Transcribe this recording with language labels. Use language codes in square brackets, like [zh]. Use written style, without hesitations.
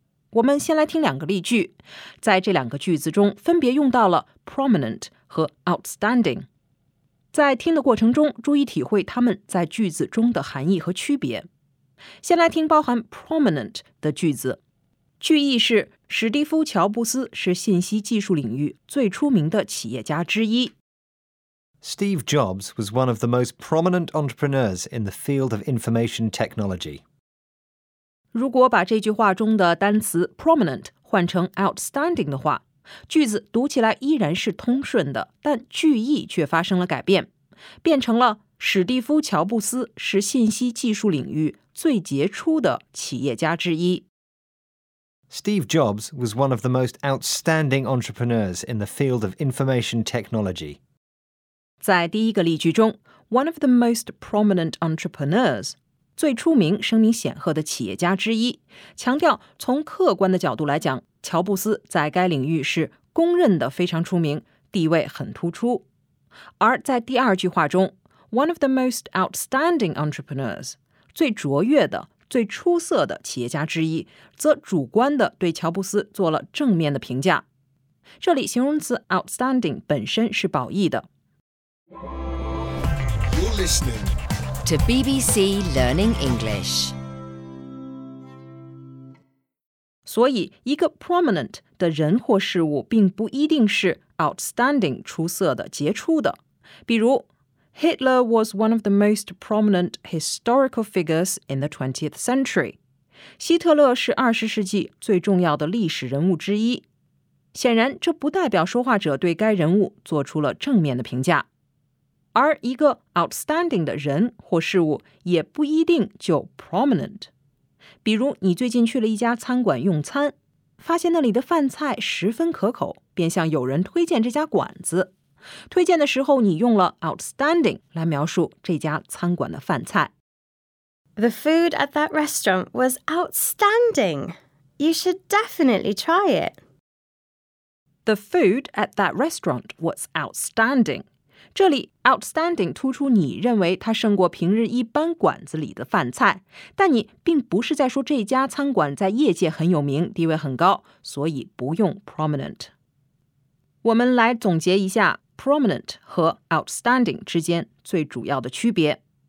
[zh] 我们先来听两个例句，在这两个句子中分别用到了 prominent 和 outstanding。在听的过程中注意体会它们在句子中的含义和区别。先来听包含 prominent 的句子。句意是，史蒂夫·乔布斯是信息技术领域最出名的企业家之一。 [en] Steve Jobs was one of the most prominent entrepreneurs in the field of information technology. [zh] 如果把这句话中的单词 prominent 换成 outstanding 的话，句子读起来依然是通顺的，但句意却发生了改变，变成了史蒂夫·乔布斯是信息技术领域最杰出的企业家之一。 [en] Steve Jobs was one of the most outstanding entrepreneurs in the field of information technology. [zh] 在第一个例句中， [en] one of the most prominent entrepreneurs, [zh] 最出名、声名显赫的企业家之一，强调从客观的角度来讲，乔布斯在该领域是公认的非常出名，地位很突出。而在第二句话中， [en] one of the most outstanding entrepreneurs, [zh] 最卓越的、最出色的企业家之一，则主观地对乔布斯做了正面的评价。这里形容词 outstanding 本身是褒义的。 [en] You're listening to BBC Learning English. [zh] 所以一个 prominent 的人或事物并不一定是 outstanding 出色的、杰出的。比如 [en] Hitler was one of the most prominent historical figures in the 20th century. [zh] 希特勒是二十世纪最重要的历史人物之一。显然，这不代表说话者对该人物做出了正面的评价。而一个 outstanding 的人或事物也不一定就 prominent。比如，你最近去了一家餐馆用餐，发现那里的饭菜十分可口，便向友人推荐这家馆子。推荐的时候你用了 outstanding 来描述这家餐馆的饭菜。 [en] The food at that restaurant was outstanding. You should definitely try it. The food at that restaurant was outstanding. [zh] 这里 outstanding 突出你认为它胜过平日一般馆子里的饭菜，但你并不是在说这家餐馆在业界很有名，地位很高，所以不用 prominent。我们来总结一下prominent 和 outstanding 之间最主要的区别。